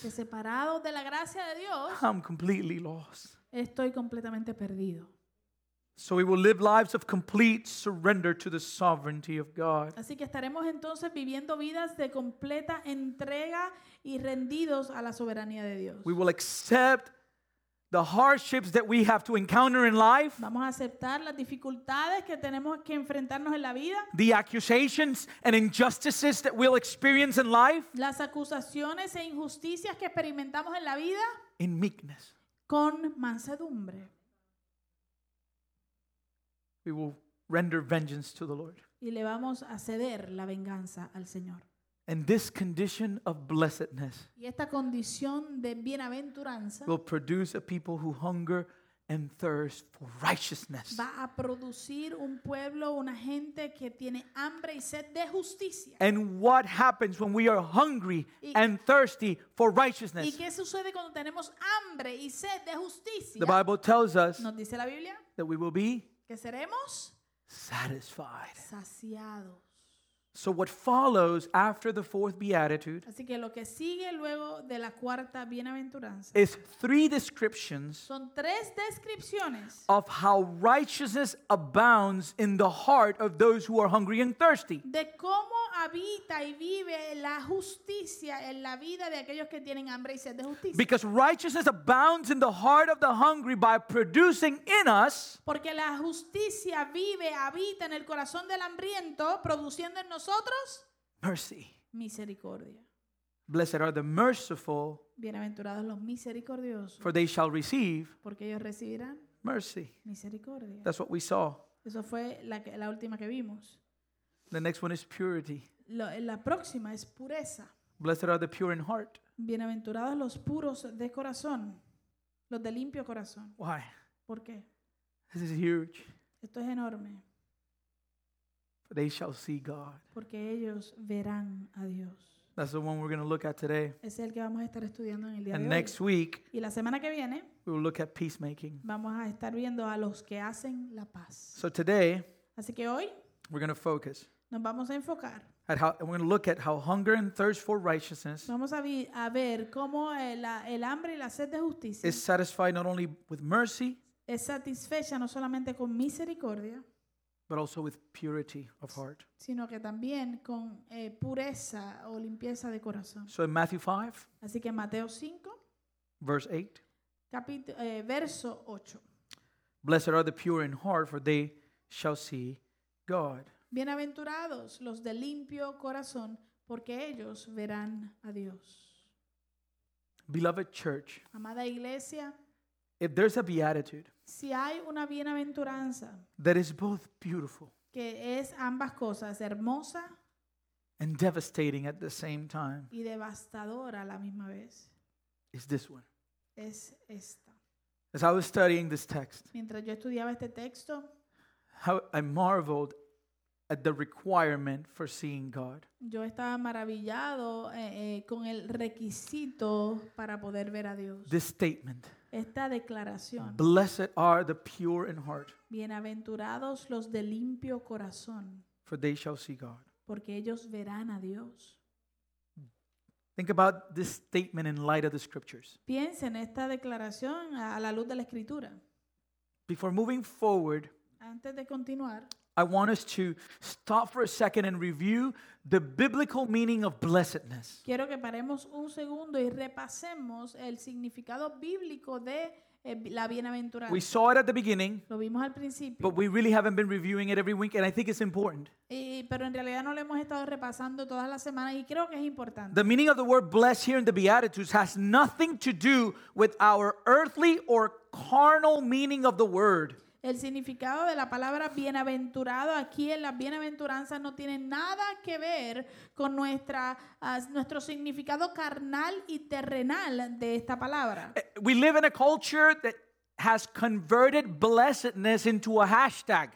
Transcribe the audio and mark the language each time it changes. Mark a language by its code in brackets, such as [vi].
[es] Que separado de la gracia de Dios. [en] I'm completely lost. [es] Estoy completamente perdido. [en] So we will live lives of complete surrender to the sovereignty of God. [es] Así que estaremos entonces viviendo vidas de completa entrega y rendidos a la soberanía de Dios. [en] We will accept the hardships that we have to encounter in life. [es] Vamos a aceptar las dificultades que tenemos que enfrentarnos en la vida. [en] The accusations and injustices that we'll experience in life. [es] Las acusaciones e injusticias que experimentamos en la vida. [en] In meekness. [es] Con mansedumbre. [en] We will render vengeance to the Lord. [es] Y le vamos a ceder la venganza al Señor. [en] And this condition of blessedness. [es] Y esta condición de bienaventuranza. [en] Will produce a people who hunger and thirst for righteousness. [es] Va a producir un pueblo, una gente que tiene hambre y sed de justicia. [en] And what happens when we are hungry and thirsty for righteousness? [es] ¿Y qué sucede cuando tenemos hambre y sed de justicia? [en] The Bible tells us. [es] Nos dice la Biblia. [en] That we will be. [es] Que seremos [en] satisfied. [es] Saciados. [en] So what follows after the fourth beatitude? [es] Así que lo que sigue luego de la cuarta bienaventuranza [en] is three descriptions. [es] Son tres descripciones [en] of how righteousness abounds in the heart of those who are hungry and thirsty. [es] De cómo habita y vive la justicia en la vida de aquellos que tienen hambre y sed de justicia. [en] Because righteousness abounds in the heart of the hungry by producing in us. [es] Porque la justicia vive, habita en el corazón del hambriento, produciendo en nosotros [en] mercy. [es] Misericordia. [en] Blessed are the merciful. [es] Bienaventurados los misericordiosos. [en] For they shall receive. [es] Porque ellos recibirán [en] mercy. [es] Misericordia. [en] That's what we saw. [es] Eso fue la última que vimos. [en] The next one is purity. [es] La próxima es pureza. [en] Blessed are the pure in heart. [es] Bienaventurados los puros de corazón. Los de limpio corazón. [en] Why? [es] ¿Por qué? [en] This is huge. [es] Esto es enorme. [en] For they shall see God. [es] Porque ellos verán a Dios. [en] That's the one we're going to look at today. [es] Es el que vamos a estar estudiando en el día [en] and [es] de [en] next [es] hoy. [en] Week. [es] Y la semana que viene. [en] We will look at peacemaking. [es] Vamos a estar viendo a los que hacen la paz. [en] So today. [es] Así que hoy. [en] We're going to focus. [es] Nos vamos a enfocar. [en] At how, we're going to look at how hunger and thirst for righteousness. [es] Vamos a ver cómo el hambre y la sed de justicia. [en] Is satisfied not only with mercy. [es] Es satisfecha no solamente con misericordia. [en] But also with purity of heart. [es] Sino que también con pureza o limpieza de corazón. [en] So in Matthew 5. [es] Así que Mateo 5. [en] Verse 8. [es] Verso 8. [en] Blessed are the pure in heart, for they shall see God. [es] Bienaventurados los de limpio corazón, porque ellos verán a Dios. [en] Beloved church. [es] Amada iglesia. [en] If there's a beatitude. [es] Si hay una bienaventuranza. [en] That is both beautiful. [es] Que es ambas cosas, hermosa. [en] And devastating at the same time. [es] Y devastadora a la misma vez. [en] Is this one. [es] Es esta. [en] As I was studying this text. [es] Mientras yo estudiaba este texto. [en] How I marveled at the requirement for seeing God. [es] Yo estaba maravillado con el requisito para poder ver a Dios. [en] This statement. [es] Esta declaración. [en] Blessed are the pure in heart. [es] Bienaventurados los de limpio corazón. [en] For they shall see God. [es] Porque ellos verán a Dios. [en] Think about this statement in light of the scriptures. [es] Piensen en esta declaración a la luz de la escritura. [en] Before moving forward. [es] Antes de continuar, [en] I want us to stop for a second and review the biblical meaning of blessedness. [es] Quiero que paremos un segundo y repasemos el significado bíblico de la bienaventuranza. [en] We saw it at the beginning, [es] lo vimos al principio, [en] but we really haven't been reviewing it every week, and I think it's important. [es] Pero en realidad no lo hemos estado repasando todas las semanas y creo que es importante. [en] The meaning of the word blessed here in the Beatitudes has nothing to do with our earthly or carnal meaning of the word. [es] El significado de la palabra bienaventurado aquí en las bienaventuranzas no tiene nada que ver con nuestro significado carnal y terrenal de esta palabra. [en] We live in a culture that has converted blessedness into a hashtag.